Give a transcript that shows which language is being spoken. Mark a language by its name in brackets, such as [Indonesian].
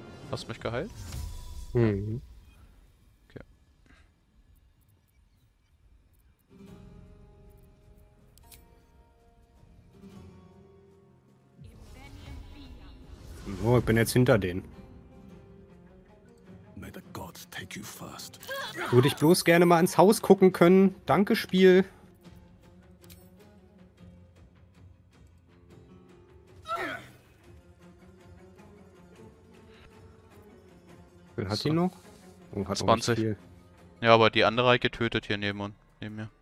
[German] Hast du mich geheilt? Mhm. Okay. Oh, ich bin jetzt hinter denen. [English] May the gods take you first. [German] Würde ich bloß gerne mal ins Haus gucken können. Danke, Spiel. Hat sie noch? Oh, hat 20. Noch ja, aber die andere hat getötet hier neben mir.